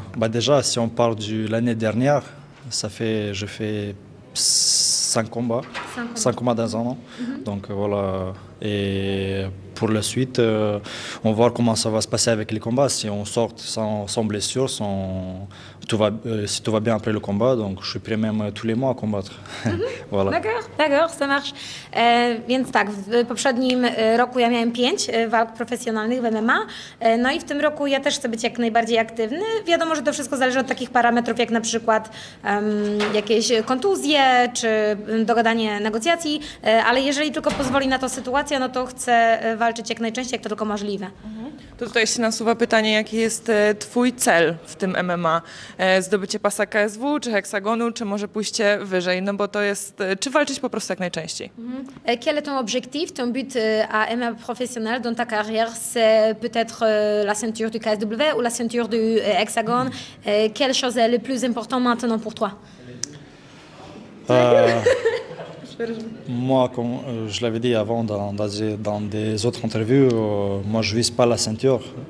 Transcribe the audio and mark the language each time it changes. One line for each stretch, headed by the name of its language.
French: Déjà si on parle de l'année dernière, je fais 5 combats dans un an. Mm-hmm. Donc voilà. Et pour la suite, on va voir comment ça va se passer avec les combats. Si on sort sans blessure, si tout va bien après le combat, donc je suis prêt même tous les mois à combattre. Mm-hmm. Voilà. D'accord, ça marche.
Polish: Więc tak, w poprzednim roku ja miałem 5 walk profesjonalnych w MMA, no i w tym roku ja też chcę być jak najbardziej aktywny. Wiadomo, że to wszystko zależy od takich parametrów, jak na przykład jakieś kontuzje, czy dogadanie negocjacji, ale jeżeli tylko pozwoli na to sytuacja, no to chcę walczyć jak najczęściej, jak to tylko możliwe. Mhm. To tutaj się nasuwa pytanie, jaki jest twój cel w tym MMA? Zdobycie pasa KSW, czy heksagonu, czy może pójście wyżej? No bo to jest, czy walczyć po prostu jak najczęściej?
French: Quel est ton objectif, ton but à MMA professionnel dans ta carrière? C'est peut-être la ceinture du KSW ou la ceinture du hexagone? Quelle chose est le plus important maintenant pour toi? Moi, comme je l'avais dit avant dans des autres interviews, moi je ne vise pas la ceinture.